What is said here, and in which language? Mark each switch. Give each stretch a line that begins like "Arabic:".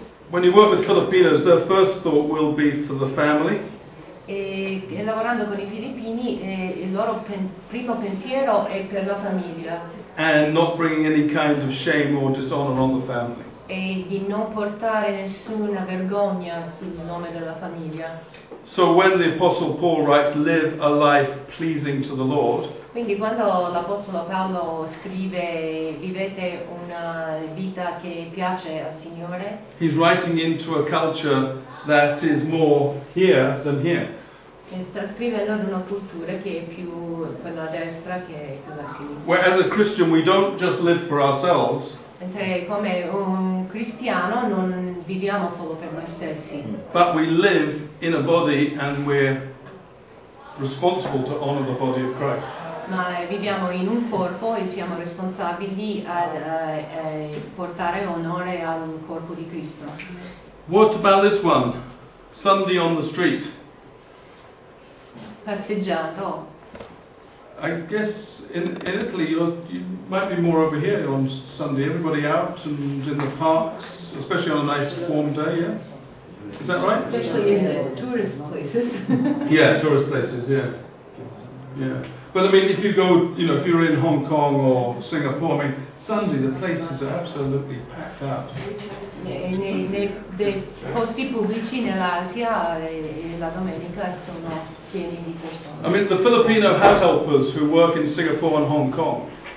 English: When you work with Filipinos, their first thought will be for the family.
Italian: E lavorando con i filippini, il loro primo pensiero è per la famiglia.
English: And not bringing any kind of shame or dishonor on the family.
Italian: E di non portare nessuna vergogna sul nome della famiglia.
English: So when the Apostle Paul writes, "Live a life pleasing to the Lord."
Italian: Quindi quando l'Apostolo Paolo scrive, vivete una vita che piace al Signore.
English: He's writing into a culture that is more here than here.
Italian: E sta scrivendo in una cultura che è più quella destra che quella sinistra.
English: Where as a Christian we don't just live for ourselves.
Italian: Mentre come un cristiano non viviamo solo per noi stessi.
English: But we live in a body and we're responsible to honor the body of Christ.
Italian: Ma viviamo in un corpo e siamo responsabili a portare onore al corpo di Cristo.
English: What about this one? Sunday on the street.
Italian: Passeggiato.
English: I guess in Italy you might be more over here on Sunday. Everybody out and in the parks, especially on a nice warm day, yeah? Is that right? Especially in the tourist places. Yeah, tourist places, yeah. Yeah. But I mean, if you go, you know, if you're in Hong Kong or Singapore, I mean, Sunday the places are absolutely packed out.
Italian: Nei posti pubblici nell'Asia la domenica sono pieni di persone.
English: I mean, the Filipino house helpers who work in Singapore and Hong Kong.